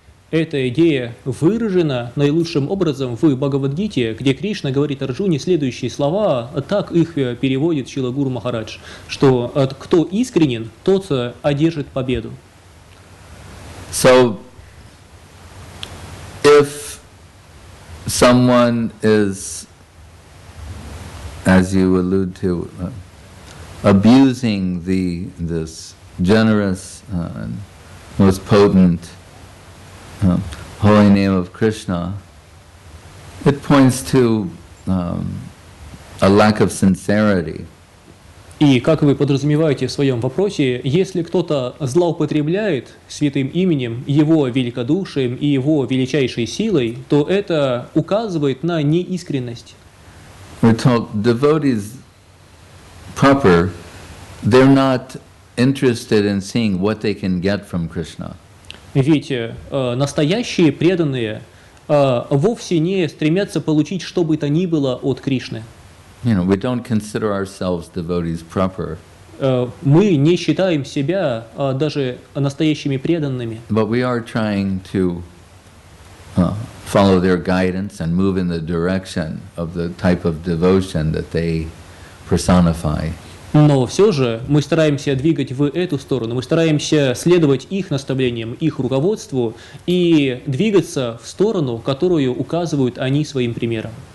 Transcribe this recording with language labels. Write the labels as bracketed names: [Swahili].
[Russian] Эта идея выражена наилучшим образом в Бхагавадгите, где Кришна говорит Арджуне следующие слова, так их переводит Шрила Гуру Махарадж, что кто искренен, тот одержит победу. [English] So, if someone is, as you allude to, abusing this generous and most potent holy name of Krishna, it points to a lack of sincerity. [Russian] И как вы подразумеваете в своем вопросе, если кто-то злоупотребляет святым именем, его великодушием и его величайшей силой, то это указывает на неискренность. [English] We're told devotees proper, they're not interested in seeing what they can get from Krishna. [Russian] Ведь настоящие преданные вовсе не стремятся получить что бы то ни было от Кришны. [English] You know, we don't consider ourselves devotees proper. [Russian] Мы не считаем себя даже настоящими преданными. [English] But we are trying to follow their guidance and move in the direction of the type of devotion that they personify. [Russian] Но все же мы стараемся двигать в эту сторону, мы стараемся следовать их наставлениям, их руководству и двигаться в сторону, которую указывают они своим примером.